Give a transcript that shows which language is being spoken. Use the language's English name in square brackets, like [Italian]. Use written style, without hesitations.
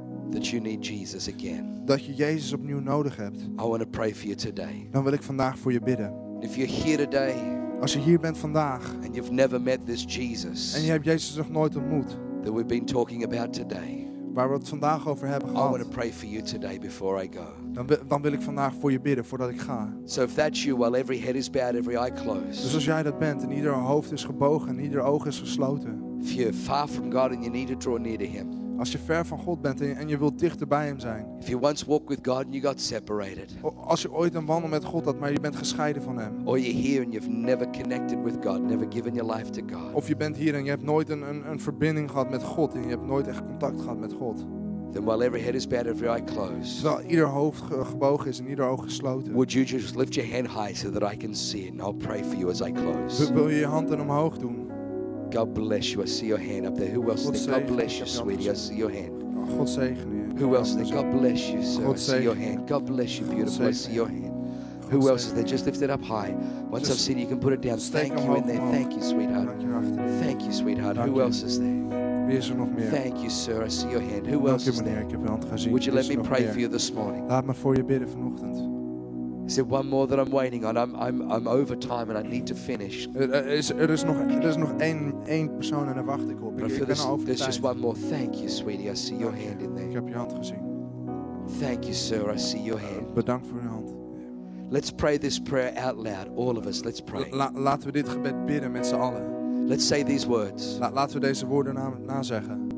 [English] That you need Jesus again. [Dutch] Dat je Jezus opnieuw nodig hebt. [English] I want to pray for you today. [Dutch] Dan wil ik vandaag voor je bidden. [English] And if you're here today. [Dutch] Als je hier bent vandaag. [English] And you've never met this Jesus. [Dutch] En je hebt Jezus nog nooit ontmoet. [English] That we've been talking about today. [Dutch] Waar we het vandaag over hebben gehad. [English] I want to pray for you today before I go. [Dutch] Dan wil ik vandaag voor je bidden voordat ik ga. [English] So if that's you, while every head is bowed, every eye closed. [Dutch] Dus als jij dat bent en ieder hoofd is gebogen en ieder oog is gesloten. [English] If you're far from God and you need to draw near to him. [Dutch] Als je ver van God bent en je wilt dichter bij hem zijn. [English] If you once walked with God and you got separated. [Dutch] Als je ooit een wandel met God had, maar je bent gescheiden van hem. [English] Or you're here and you've never connected with God, never given your life to God. [Dutch] Of je bent hier en je hebt nooit een verbinding gehad met God en je hebt nooit echt contact gehad met God. [English] Then while every head is bowed, every eye closed. [Dutch] Terwijl ieder hoofd gebogen is en ieder oog gesloten. [English] Would you just lift your hand high so that I can see it and I'll pray for you as I close. [Dutch] Wil je hand dan omhoog doen? [English] God bless you. I see your hand up there. Who else? God, God bless you, sweetie. I see your hand. [Dutch] God zegen [English] you. Who else? There? God bless you, sir. God I see your hand. God bless you, beautiful. I see your hand. Who else is there? Just lift it up high. Once I've seen you, you can put it down. Thank you in there. Thank you, sweetheart. Thank you, sweetheart. Who else is there? [Dutch] Wie is er nog meer? [English] Thank you, sir. I see your hand. Who else is there? [Dutch] Ik heb je hand gezien. [English] Would you let me pray for you this morning? [Dutch] Laat me voor je bidden vanochtend. [English] Is there one more that I'm waiting on? I'm over time and I need to finish. [Dutch] Er is nog één persoon en daar wacht ik op. [English] There's just one more. Thank you, sweetie. I see your hand in there. [Dutch] Ik heb je hand gezien. [English] Thank you, sir. I see your hand. [Dutch] Bedankt voor je hand. [English] Let's pray this prayer out loud, all of us. Let's pray. [Dutch] Laten we dit gebed bidden met z'n allen. [English] Let's say these words. [Dutch] Laten we deze woorden na zeggen.